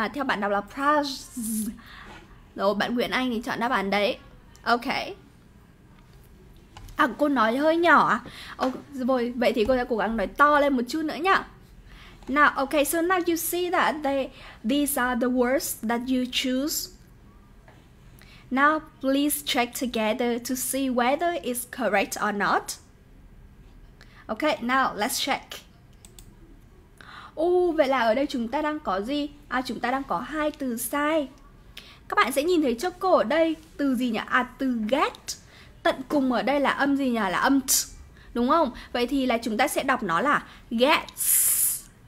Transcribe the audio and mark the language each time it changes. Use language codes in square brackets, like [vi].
[vi] Theo bạn đọc là Prush. Rồi bạn Nguyễn Anh thì chọn đáp án đấy. Ok. Cô nói hơi nhỏ à? Rồi, vậy thì cô sẽ cố gắng nói to lên một chút nữa nhá. [en] Now, ok, so now you see that these are the words that you choose. Now, please check together to see whether it's correct or not. Okay, now let's check. [vi] Vậy là ở đây chúng ta đang có gì? Chúng ta đang có hai từ sai. Các bạn sẽ nhìn thấy cho cô ở đây từ gì nhỉ? Từ get. Tận cùng ở đây là âm gì nhỉ? Là âm t. Đúng không? Vậy thì là chúng ta sẽ đọc nó là gets.